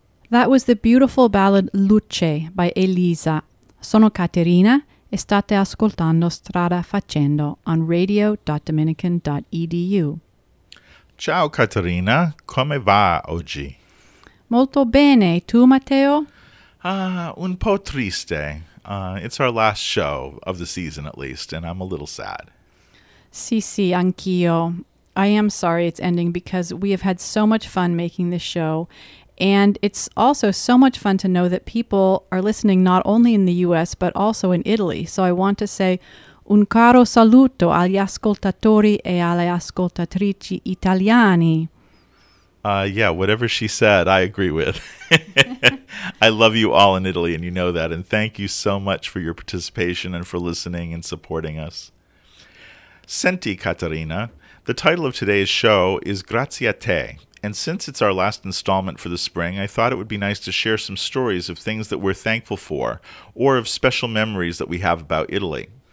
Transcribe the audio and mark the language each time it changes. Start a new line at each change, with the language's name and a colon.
English: That was the beautiful ballad Luce by Elisa.
Italian: Sono Caterina e state ascoltando Strada Facendo on radio.dominican.edu. Ciao Caterina, come va oggi? Molto bene, tu Matteo? Un po' triste.
English: It's our last show of the season at least, and I'm a little sad.
Italian: Sì, sì, anch'io.
English: I am sorry it's ending because we have had so much fun making this show. And it's also so much fun to know that people are listening not only in the U.S., but also in Italy. So I want to say un caro saluto agli ascoltatori e alle ascoltatrici italiani. Yeah, whatever she said, I agree with. I love you all in Italy, and you know that. And thank you so much for your participation and for listening and supporting us. Senti, Caterina, the title of today's show is Grazie a te. And since it's our last installment for the spring, I thought it would be nice to share some stories of things that we're thankful for, or of special memories that we have about Italy.